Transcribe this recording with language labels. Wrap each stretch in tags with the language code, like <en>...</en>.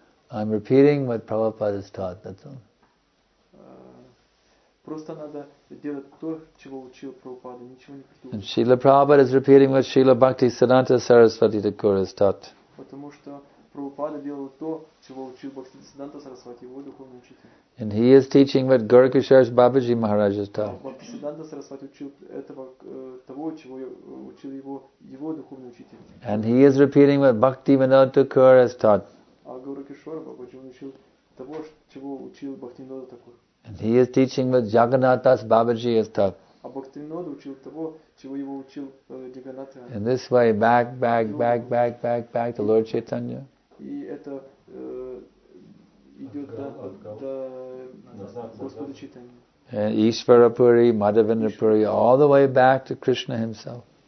<en>I'm repeating what Prabhupada has taught, that's all.</en> <ru>Просто надо делать то, чего учил Прабхупада, ничего не придумывать.</ru> <en>And Srila Prabhupada is repeating what Srila Bhakti Siddhanta Sarasvati Thakur has taught.</en> <ru>Потому что Прабхупада делал то, чего учил Бхактисиддханта Сарасвати, его духовный учитель.</ru> <en>And he is teaching what Guru Kishore Babaji Maharaj has taught.</en> <ru>Бхактисиддханта Сарасвати учил этого того, чего учил его духовный учитель.</ru> <en>And he is repeating what Bhakti Vinod Thakur has taught.</en> <ru>А Гуру Кишор Бабаджи учил того, чего учил Бхакти Винода Такур.</ru> <en>And he is teaching what Jagannath Das Babaji has taught.</en> <ru>А Бхакти Винода учил того, чего его учил Джаганнат.</ru> <en>And this way back to Lord Chaitanya.</en> <ru>И это идет до Господа Чайтаньи.</ru> <en>And Ishvara Puri, Madhavendra Puri, all the way back to Krishna himself.</en>